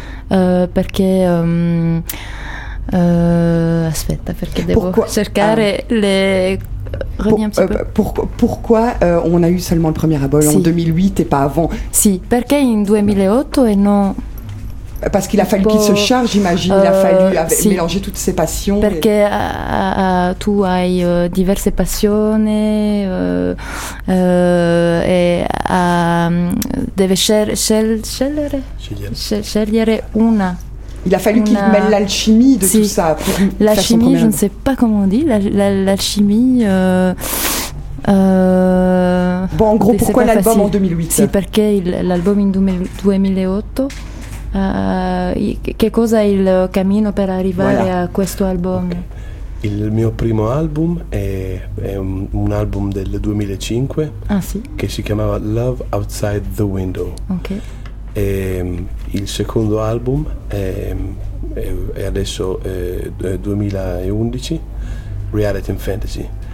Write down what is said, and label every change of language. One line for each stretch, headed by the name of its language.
Italian: Perché aspetta, perché devo cercare le
French: revenir un petit peu. Pourquoi on a eu seulement le premier album en 2008 et pas avant?
Italian: Si, perché in 2008 e non.
French: Parce qu'il a fallu qu'il se charge, j'imagine, il a fallu mélanger toutes ses passions. Parce que tu as diverses passions et devais choisir une. Il a fallu qu'il mêle l'alchimie de tout ça. Pour l'alchimie, je ne sais pas comment on dit, l'alchimie... Bon, en gros, pourquoi l'album en 2008? C'est parce que l'album en 2008...
Italian: che cosa è il cammino per arrivare a questo album?
English: Okay.
Italian: Il mio primo album è un album del 2005 che si chiamava Love Outside the Window.
English: Okay.
Italian: E il secondo album è adesso 2011, Reality and Fantasy.